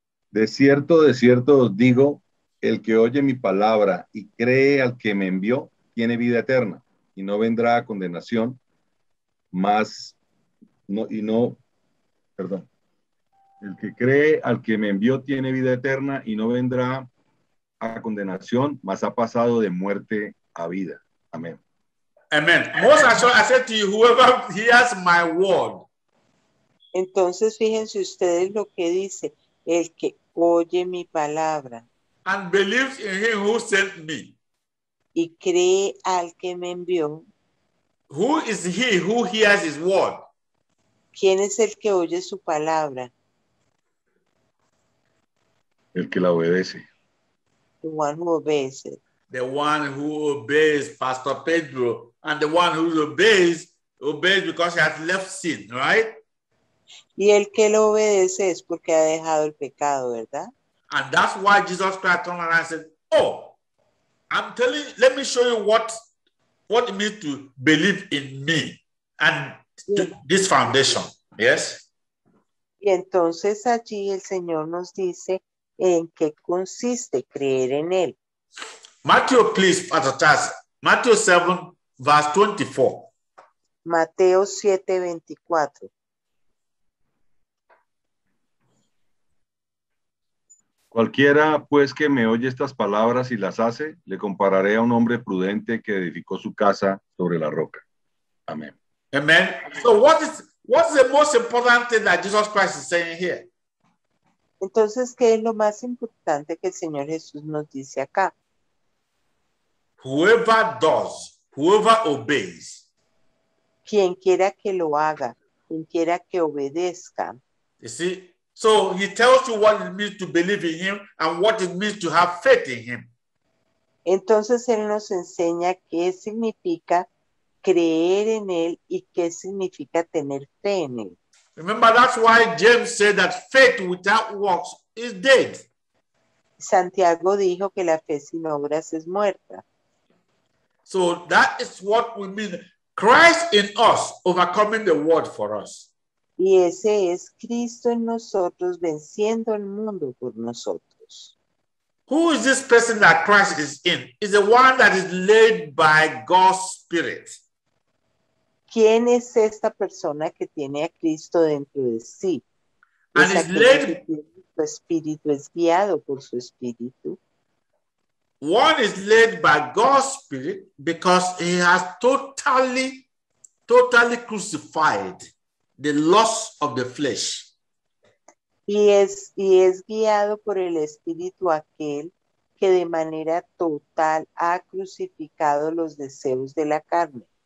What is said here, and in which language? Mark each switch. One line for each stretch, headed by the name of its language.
Spanish: De cierto os digo, el que oye mi palabra y cree al que me envió, tiene vida eterna y no vendrá a condenación. El que cree al que me envió tiene vida eterna y no vendrá a condenación, mas ha pasado de muerte a vida. Amén. Amén.
English: Most assuredly I say to you, whoever hears my word.
Spanish: Entonces fíjense ustedes lo que dice. El que oye mi palabra.
English: And believes in him who sent me.
Spanish: Y cree al que me envió.
English: Who is he who hears his word?
Spanish: ¿Quién es el que oye su palabra? El que la obedece.
English: The one who obeys it. The one who obeys Pastor Pedro. And the one who obeys, obeys because he has left sin, right?
Spanish: Y el que lo obedece es porque ha dejado el pecado, ¿verdad?
English: And that's why Jesus Christ turned around and said, oh, I'm telling you, let me show you what it means to believe in me and this foundation. Yes?
Spanish: Y entonces allí el Señor nos dice en qué consiste creer en él.
English: Matthew, please, Pastor Charles. Matthew 7, verse 24.
Spanish: Mateo 7, 24. Cualquiera, pues, que me oye estas palabras y las hace, le compararé a un hombre prudente que edificó su casa sobre la roca. Amén.
English: Amen. So what is the most important thing that Jesus Christ is saying here?
Spanish: Entonces, ¿qué es lo más importante que el Señor Jesús nos dice acá?
English: Whoever does, whoever obeys.
Spanish: Quien quiera que lo haga, quien quiera que obedezca.
English: You see? So he tells you what it means to believe in him and what it means to have faith in him.
Spanish: Entonces él nos enseña qué significa creer en él y qué significa tener fe en él.
English: Remember, that's why James said that faith without works is dead.
Spanish: Santiago dijo que la fe sin obras es muerta.
English: So that is what we mean. Christ in us overcoming the world for us.
Spanish: Y ese es Cristo en nosotros venciendo el mundo por nosotros.
English: Who is this person that Christ is in? Is the one that is led by God's Spirit.
Spanish: ¿Quién es esta persona que tiene a Cristo dentro de sí?
English: And is led
Spanish: su espíritu, es guiado por su espíritu.
English: One is led by God's Spirit because he has totally crucified the lust of the flesh.
Spanish: Y es guiado por el espíritu aquel que de manera total ha crucificado los deseos de la carne.